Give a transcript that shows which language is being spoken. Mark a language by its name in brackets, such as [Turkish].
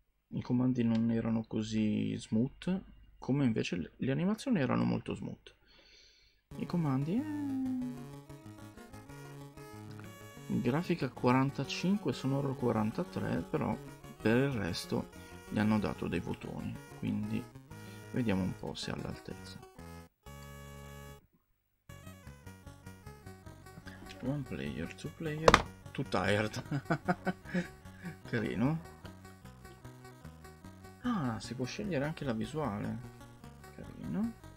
[Italian] I comandi non erano così smooth, come invece le animazioni erano molto smooth. I comandi. Grafica 45, sonoro 43, però per il resto gli hanno dato dei votoni, quindi vediamo un po' se è all'altezza. [English] One player, two player, too tired. [Italian] Carino. Ah, si può scegliere anche la visuale. Carino.